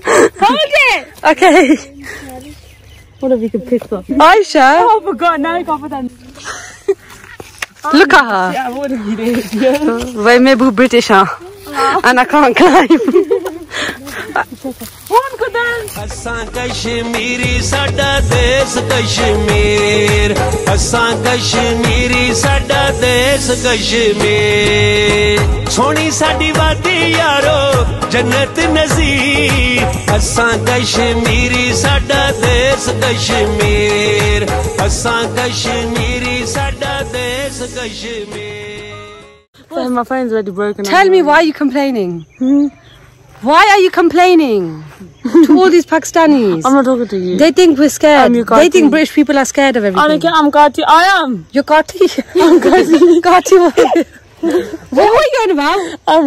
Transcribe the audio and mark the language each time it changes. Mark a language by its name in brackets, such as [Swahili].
[English] Hold it. Okay. What if you can pick up? Aisha. Oh, for God, now you go for them. Look at her. Yeah, what if you did? Well, I'm British, huh? And I can't climb. ਹੋਂ ਖੁਦਾਂ [Punjabi] ਅਸਾਂ ਕਸ਼ਮੀਰੀ ਸਾਡਾ ਦੇਸ਼ ਕਸ਼ਮੀਰ ਅਸਾਂ ਕਸ਼ਮੀਰੀ ਸਾਡਾ ਦੇਸ਼ ਕਸ਼ਮੀਰ ਸੋਹਣੀ ਸਾਡੀ ਵਾਦੀ ਯਾਰੋ ਜੰਨਤ ਨਜ਼ੀਰ ਅਸਾਂ ਕਸ਼ਮੀਰੀ ਸਾਡਾ ਦੇਸ਼ ਕਸ਼ਮੀਰ ਅਸਾਂ ਕਸ਼ਮੀਰੀ ਸਾਡਾ ਦੇਸ਼ Kashmir [English] Well, my phone's already broken. Tell me, why are you complaining? Why are you complaining to all these Pakistanis? I'm not talking to you. They think we're scared. They think British people are scared of everything. I'm Gati. I am. You're Gati? I'm Gati. Gati, what? What were you on about?